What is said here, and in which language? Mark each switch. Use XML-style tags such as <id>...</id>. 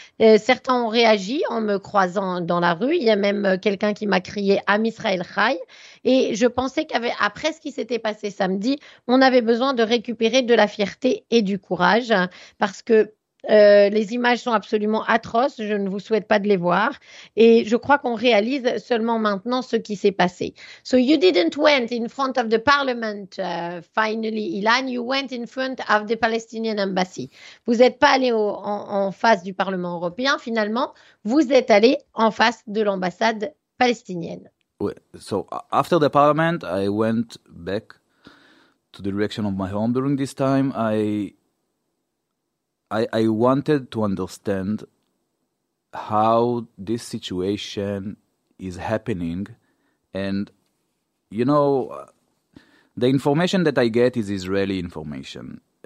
<fr>Certains ont réagi en me croisant dans la rue. Il y a même quelqu'un qui m'a crié «</fr> <he>Am Israel Chai ».</he> <fr>Et je pensais qu'après ce qui s'était passé samedi, on avait besoin de récupérer de la fierté et du courage parce que les images sont absolument atroces, je ne vous souhaite pas de les voir et je crois qu'on réalise seulement maintenant ce qui s'est passé.</fr> <en>So you didn't went in front of the parliament finally, Ilan, you went in front of the Palestinian embassy.</en> <fr>Vous n'êtes pas allé en face du Parlement européen finalement, vous êtes allé en face de l'ambassade palestinienne.</fr> <en>So after the parliament, I went back to the reaction of my home during this time, I wanted to understand how this situation is happening. And, you know, the information that I get is Israeli information.</en>